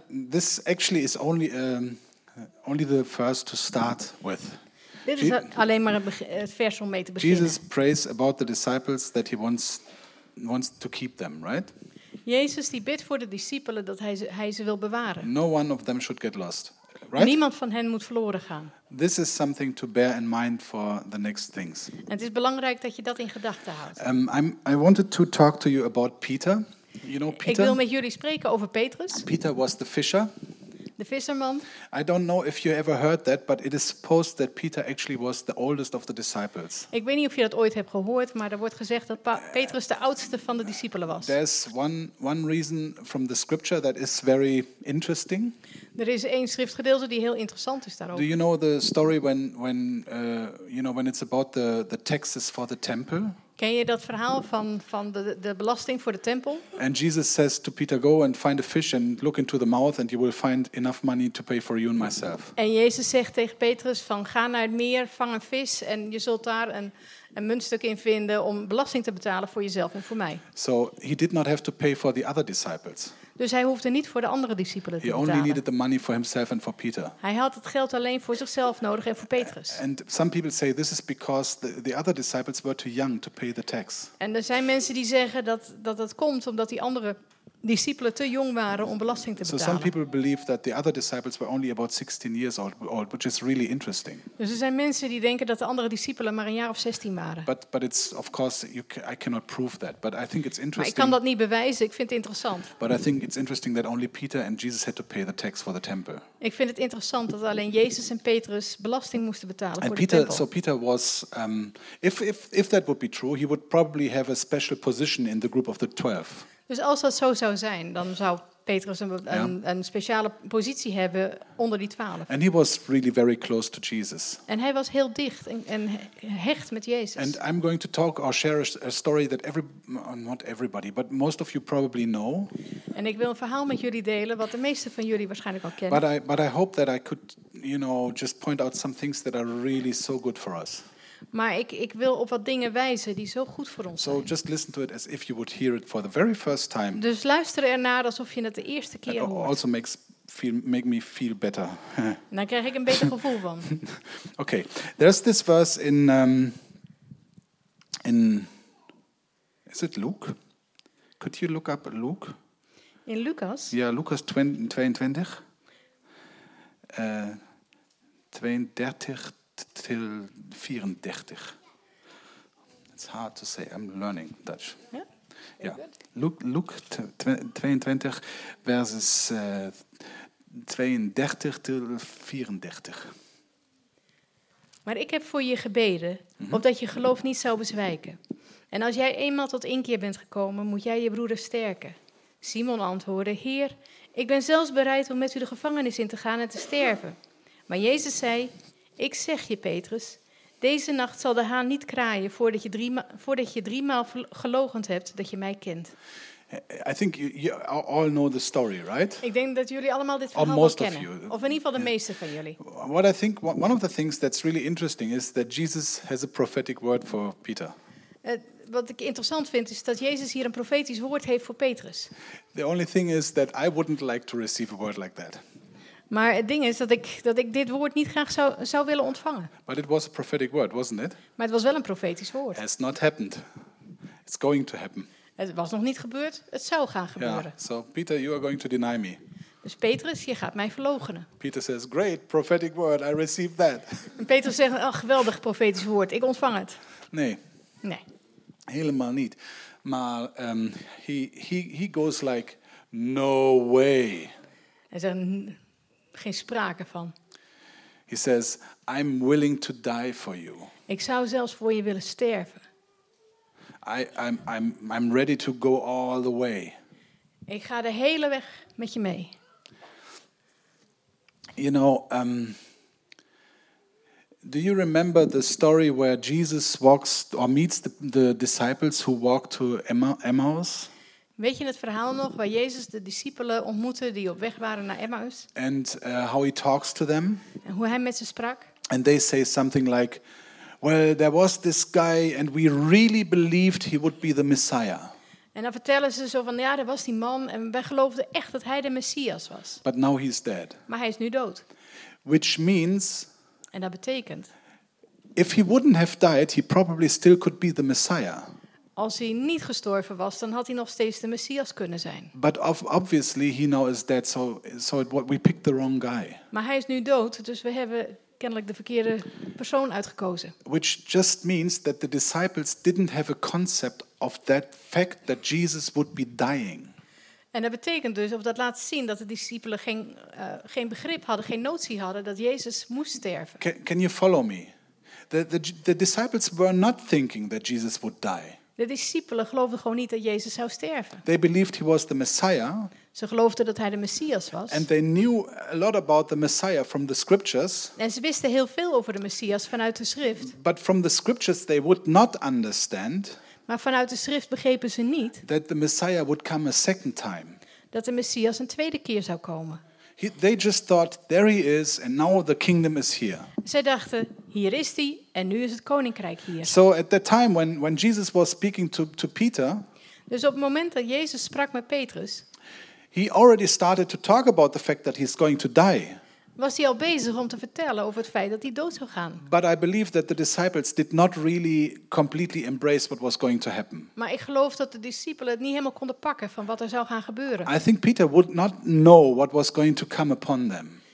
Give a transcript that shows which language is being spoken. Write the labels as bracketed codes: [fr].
[en] This actually is only the first to start with. [nl] Dit is alleen maar het vers om mee te beginnen. [en] Jesus prays about the disciples that he wants to keep them, right? [nl] Jezus die bidt voor de discipelen dat hij ze wil bewaren. [en] No one of them should get lost, right? [nl] Niemand van hen moet verloren gaan. [en] This is something to bear in mind for the next things. [nl] En het is belangrijk dat je dat in gedachten houdt. [en] I wanted to talk to you about Peter. You know Peter? [nl] Ik wil met jullie spreken over Petrus. [en] Peter was the fisher. [nl] De visserman. [en] I don't know if you ever heard that, but it is supposed that Peter actually was the oldest of the disciples. [nl] Ik weet niet of je dat ooit hebt gehoord, maar er wordt gezegd dat Petrus de oudste van de discipelen was. [en] There's one reason from the scripture that is very interesting. [nl] Er is één schriftgedeelte die heel interessant is daarover. [en] Do you know the story when it's about the taxes for the temple? [nl] Ken je dat verhaal van de belasting voor de tempel? [en] And Jesus says to Peter, go and find a fish and look into the mouth and you will find enough money to pay for you and myself. [nl] En Jezus zegt tegen Petrus van ga naar het meer, vang een vis en je zult daar een muntstuk in vinden om belasting te betalen voor jezelf en voor mij. [en] So he did not have to pay for the other disciples. [nl] Dus hij hoefde niet voor de andere discipelen te betalen. [en] He only needed the money for himself and for Peter. [nl] Hij had het geld alleen voor zichzelf nodig en voor Petrus. [en] And some people say this is because the other disciples were too young to pay the tax. [nl] En er zijn mensen die zeggen dat komt omdat die andere discipelen te jong waren om belasting te betalen. [en] So some people believe that the other disciples were only about 16 years old, which is really interesting. [nl] Dus er zijn mensen die denken dat de andere discipelen maar een jaar of 16 waren. [en] But it's of course I cannot prove that, but I think it's interesting. [nl] Maar ik kan dat niet bewijzen. Ik vind het interessant. [en] But I think it's interesting that only Peter and Jesus had to pay the tax for the temple. [nl] Ik vind het interessant dat alleen Jezus en Petrus belasting moesten betalen [en] and [nl] voor [en] Peter, [nl] de tempel. [en] So Peter was if that would be true, he would probably have a special position in the group of the 12. [nl] Dus als dat zo zou zijn, dan zou Petrus een speciale positie hebben onder die 12. [en] And he was really very close to Jesus. [nl] En hij was heel dicht en hecht met Jezus. [en] And I'm going to talk or share a story that not everybody, but most of you probably know. [nl] En ik wil een verhaal met jullie delen wat de meeste van jullie waarschijnlijk al kennen. [en] But I hope that I could, you know, just point out some things that are really so good for us. [nl] Maar ik wil op wat dingen wijzen die zo goed voor ons zijn. [en] So just listen to it as if you would hear it for the very first time. [nl] Dus luister ernaar alsof je het de eerste keer hoort. [en] Also make me feel better. [nl] En dan krijg ik een beter gevoel van. [en] Okay, there's this verse in is it Luke? Could you look up Luke? [nl] In Lucas? Ja, yeah, Lucas 22. [en] 32. Till 34. It's hard to say. I'm learning Dutch. Yeah. Yeah. Luke 22 verses 32 till 34. [nl] Maar ik heb voor je gebeden, opdat je geloof niet zou bezwijken. En als jij eenmaal tot inkeer bent gekomen, moet jij je broeder sterken. Simon antwoordde, Heer, ik ben zelfs bereid om met u de gevangenis in te gaan en te sterven. Maar Jezus zei, ik zeg je, Petrus, deze nacht zal de haan niet kraaien voordat je driemaal gelogen hebt dat je mij kent. [en] I think you all know the story, right? [nl] Ik denk dat jullie allemaal dit verhaal [en] most [nl] wel kennen. [en] Of you. [nl] Of in ieder geval de meeste van jullie. [en] What I think, one of the things that's really interesting is that Jesus has a prophetic word for Peter. [nl] wat ik interessant vind is dat Jezus hier een profetisch woord heeft voor Petrus. [en] The only thing is that I wouldn't like to receive a word like that. [nl] Maar het ding is dat ik dit woord niet graag zou willen ontvangen. [en] But it was a prophetic word, wasn't it? [nl] Maar het was wel een profetisch woord. [en] It's not happened. It's going to happen. [nl] Het was nog niet gebeurd. Het zou gaan gebeuren. [en] Yeah. So Peter, you are going to deny me. [nl] Dus Petrus, je gaat mij verloochenen. [en] Peter says, great prophetic word, I receive that. [nl] En Petrus zegt, oh, geweldig profetisch woord, ik ontvang het. Nee. Nee. Helemaal niet. Maar [en] he goes like, no way. [nl] Hij zegt, geen sprake van. [en] He says, I'm willing to die for you. [nl] Ik zou zelfs voor je willen sterven. [en] I'm ready to go all the way. [nl] Ik ga de hele weg met je mee. [en] You know, do you remember the story where Jesus walks or meets the disciples who walk to Emmaus? [nl] Weet je het verhaal nog waar Jezus de discipelen ontmoette die op weg waren naar Emmaus? [en] And how he talks to them? [nl] En hoe hij met ze sprak? [en] And they say something like, well, there was this guy and we really believed he would be the Messiah. [nl] En dan vertellen ze zo van, ja, er was die man en wij geloofden echt dat hij de Messias was. [en] But now he's dead. [nl] Maar hij is nu dood. [en] Which means. [nl] En dat betekent. [en] If he wouldn't have died, he probably still could be the Messiah. [nl] Als hij niet gestorven was, dan had hij nog steeds de Messias kunnen zijn. [en] But obviously he now is dead, so we picked the wrong guy. [nl] Maar hij is nu dood, dus we hebben kennelijk de verkeerde persoon uitgekozen. [en] Which just means that the disciples didn't have a concept of that fact that Jesus would be dying. [nl] En dat betekent dus, of dat laat zien, dat de discipelen geen begrip hadden, geen notie hadden dat Jezus moest sterven. [en] Can you follow me? The disciples were not thinking that Jesus would die. [nl] De discipelen geloofden gewoon niet dat Jezus zou sterven. [en] They believed he was the Messiah. [nl] Ze geloofden dat hij de Messias was. [en] And they knew a lot about the Messiah from the scriptures. [nl] En ze wisten heel veel over de Messias vanuit de schrift. [en] But from the scriptures they would not understand. [nl] Maar vanuit de schrift begrepen ze niet. [en] That the Messiah would come a second time. [nl] Dat de Messias een tweede keer zou komen. [en] They just thought there he is and now the kingdom is here. [nl] Zij dachten hier is hij en nu is het koninkrijk hier. [en] So at that time when Jesus was speaking to Peter. [nl] Dus op het moment dat Jezus sprak met Petrus. [en] He already started to talk about the fact that he's going to die. [nl] Was hij al bezig om te vertellen over het feit dat hij dood zou gaan? [en] But I believe that the disciples did not really completely embrace what was going to happen. [nl] Maar ik geloof dat de discipelen het niet helemaal konden pakken van wat er zou gaan gebeuren. [en] I think Peter would not know what was going to come upon them.